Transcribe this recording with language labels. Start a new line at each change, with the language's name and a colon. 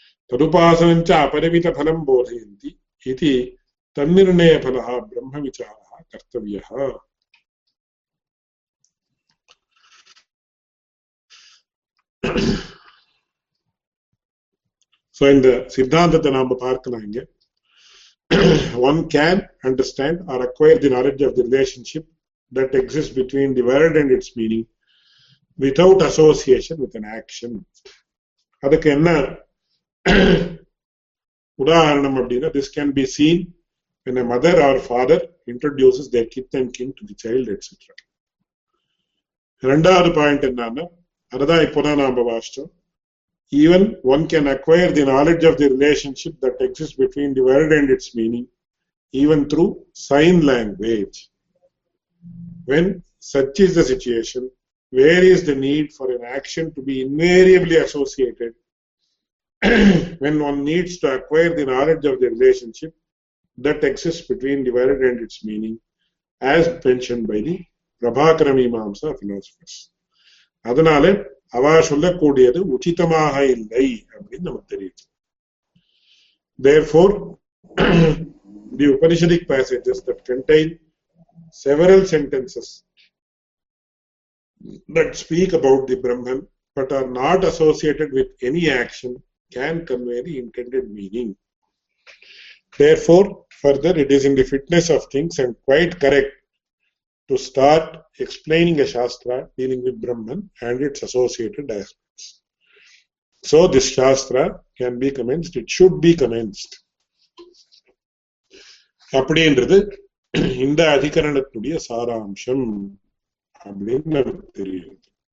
Sanskrit: ததுபாசனஞ்ச அபரிமித பலம் போதையந்தி இது தன்னிர்ணய பல பிரம்ம விசார கர்த்தவிய.
Tamil: சோ இந்த சித்தாந்தத்தை நாம பார்க்கலாம் இங்க.
English: One can understand or acquire the knowledge of the relationship that exists between the word and its meaning without association with an action.
Tamil: அதுக்கு என்ன உதாரணம் அப்படின்னா,
English: this can be seen when a mother or father introduces their kith and kin to the child, etc.
Tamil: ரெண்டாவது point என்னன்னா, அதுதான் இப்போதான் நாம வாசிச்சோம்.
English: Even one can acquire the knowledge of the relationship that exists between the word and its meaning, even through sign language. When such is the situation, where is the need for an action to be invariably associated? When one needs to acquire the knowledge of the relationship that exists between the word and its meaning, as mentioned by the Prabhakara Mimamsa philosophers.
Tamil: அதனால அவா சொல்லக்கூடியது உச்சிதமாக இல்லை அப்படின்னு நமக்கு தெரியுது.
English: Therefore, the Upanishadic passages that contain several sentences that speak about the Brahman but are not associated with any action can convey the intended meaning. Therefore, further, it is in the fitness of things and quite correct to start explaining a shastra dealing with Brahman and its associated aspects. So this shastra can be commenced, it should be commenced.
Tamil: அப்படின்றது இந்த அதிகரணத்துடைய சாராம்சம் அப்படின்னு நமக்கு தெரியுது.